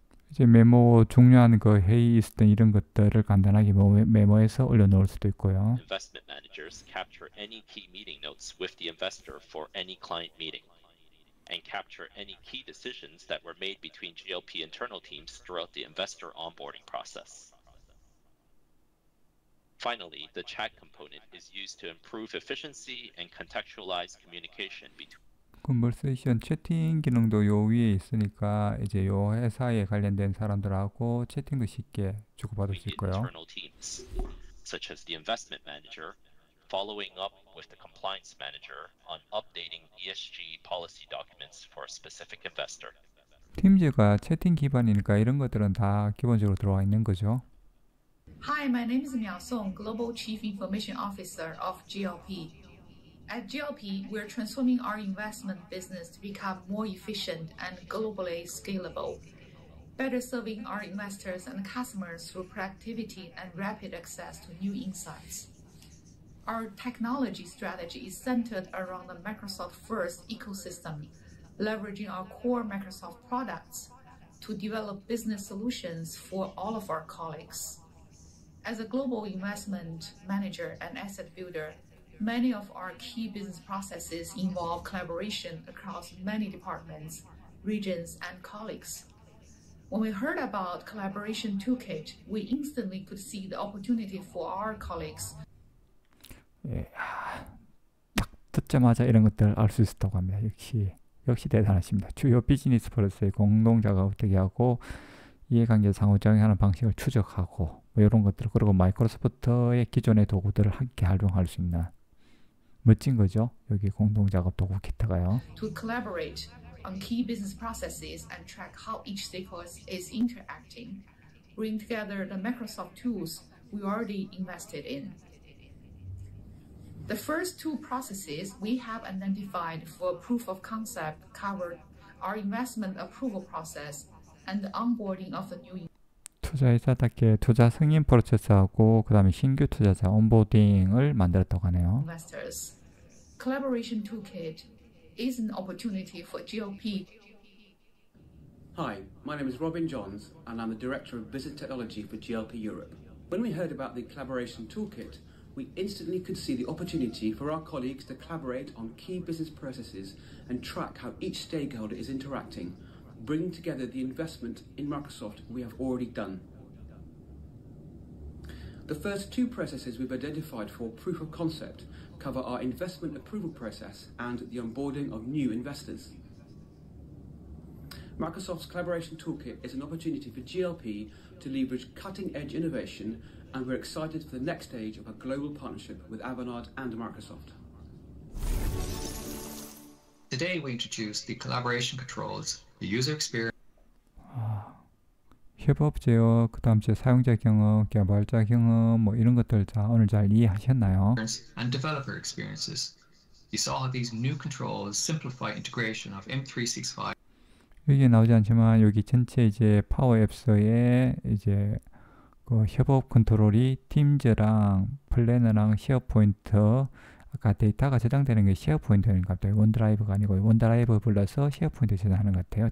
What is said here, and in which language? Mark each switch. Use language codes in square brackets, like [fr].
[ko] 이제 메모 중요한 그 회의 있을 때 이런 것들을 간단하게 메모해서 올려놓을 수도 있고요. [en] Investment managers capture any key meeting notes with the investor for any client meeting, and capture any key decisions that were made between GLP internal teams throughout the investor onboarding process. Finally, the chat component is used to improve efficiency and contextualize communication between. [ko] 컨버세이션 채팅 기능도 요 위에 있으니까 이제 요 회사에 관련된 사람들하고 채팅도 쉽게 주고받을 수 있고요. [en] Teams, such as the investment manager following up with the compliance manager on updating ESG policy documents for a specific investor. [ko] 팀즈가 채팅 기반이니까 이런 것들은 다 기본적으로 들어와 있는 거죠. [en] Hi, my name is Miao Song, Global Chief Information Officer of GLP. At GLP, we're transforming our investment business to become more efficient and globally scalable, better serving our investors and customers through productivity and rapid access to new insights. Our technology strategy is centered around the Microsoft First ecosystem, leveraging our core Microsoft products to develop business solutions for all of our colleagues. As a global investment manager and asset builder, many of our key business processes involve collaboration across many departments, regions, and colleagues. When we heard about collaboration toolkit, we instantly could see the opportunity for our colleagues. [ko] 딱 듣자마자 이런 것들 알 수 있었다고 합니다. 역시 대단하십니다. 주요 비즈니스 프로세스의 공동 작업을 어떻게 하고 이해관계 상호작용 하는 방식을 추적하고 뭐 이런 것들 그리고 마이크로소프트의 기존의 도구들을 함께 활용할 수 있는. 멋진 거죠. 여기 공동 작업 도구 기타가요. [en] To collaborate on key business processes and track how each stakeholder is interacting, bring together the Microsoft tools we already invested in. The first two processes we have identified for proof of concept cover our investment approval process and the onboarding of the new [ko] 투자회사답게 투자 승인 프로세스하고 그 다음에 신규 투자자 온보딩을 만들었다고 하네요. [en] Investors, collaboration toolkit is an opportunity for GLP. Hi, my name is Robin Johns and I'm the Director of Business Technology for GLP Europe. When we heard about the collaboration toolkit, we instantly could see the opportunity for our colleagues to collaborate on key business processes and track how each stakeholder is interacting, bringing together the investment in Microsoft we have already done. The first two processes we've identified for proof of concept cover our investment approval process and the onboarding of new investors. Microsoft's collaboration toolkit is an opportunity for GLP to leverage cutting-edge innovation, and we're excited for the next stage of a global partnership with Avanade and Microsoft. Today we introduce the collaboration controls, the user experience. [ko] 협업 제어, 그 다음 이제 사용자 경험, 개발자 경험, 뭐 이런 것들 다 오늘 잘 이해하셨나요? [en] And developer experiences. You saw how these new controls simplify integration of M365. [ko] 여기 나오지 않지만 여기 전체 이제 파워앱스에 이제 그 협업 컨트롤이 팀즈랑 플래너랑 쉐어포인트 아까 데이터가 저장되는 게 쉐어포인트인 것 같아요. 원드라이브가 아니고 원드라이브 불러서 쉐어포인트 저장하는 것 같아요.